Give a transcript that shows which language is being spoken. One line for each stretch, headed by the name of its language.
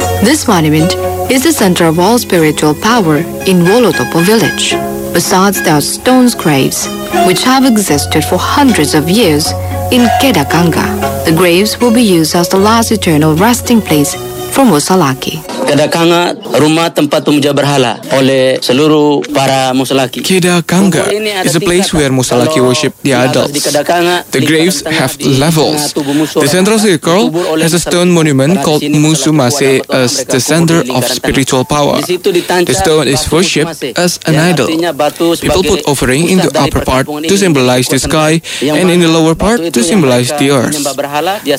English: This monument is the center of all spiritual power in Wolotopo village. Besides, there are stone graves which have existed for hundreds of years in Kedak Kanga. The graves will be used as the last eternal resting place from Mosalaki.
Indonesian: Kedak Kanga, rumah tempat pemuja berhala oleh seluruh para Mosalaki.
English: Kedak Kanga is a place where Mosalaki worship the adults. The graves have levels. The central circle has a stone monument called Musumase as the center of spiritual power. The stone is worshipped as an idol. People put offering in the upper part to symbolize the sky and in the lower part to symbolize the earth.